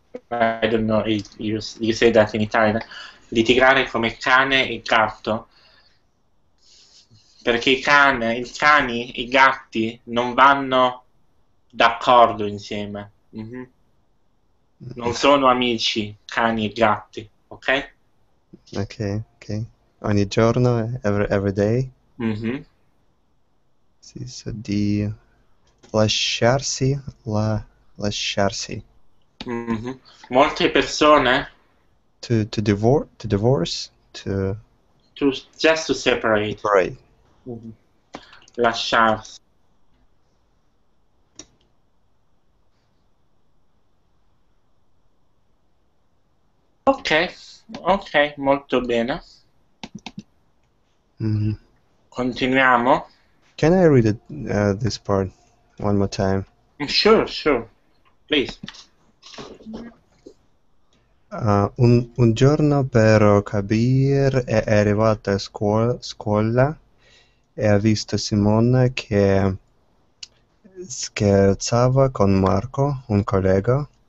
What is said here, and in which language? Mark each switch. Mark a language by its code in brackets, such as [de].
[en] I don't know if you say that in Italian. [it] Litigare come cane e gatto. Perché i cani, i gatti non vanno d'accordo insieme. Non sono amici cani e gatti, ok? Ok. Ogni giorno, [en] every day. [it] Sì, so di lasciarsi, lasciarsi. Molte persone [en] To divorce, to just to separate. Right. [it] La chance. Ok, ok, molto bene. Mm-hmm. Continuiamo. [en] Can I read it, this part one more time? Sure, sure. Please. [it] Un giorno però Kabir è arrivato a scuola e ha visto Simone che scherzava con Marco, un collega.